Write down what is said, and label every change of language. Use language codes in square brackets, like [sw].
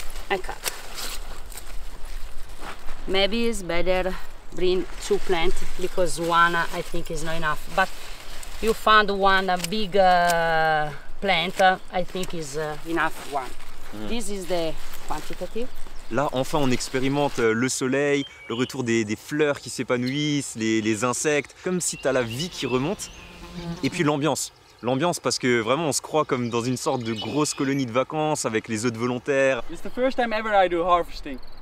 [en] And cut. Maybe it's better bring two plants because one I think is not enough. But you found one big plant, I think is enough one. Mm. This is the quantitative. [fr] Là, enfin, on expérimente le soleil, le retour des fleurs qui s'épanouissent, les insectes, comme si tu as la vie qui remonte. Et puis l'ambiance. L'ambiance, parce que vraiment on se croit comme dans une sorte de grosse colonie de vacances avec les autres volontaires. [en] It's the first time ever I do harvesting.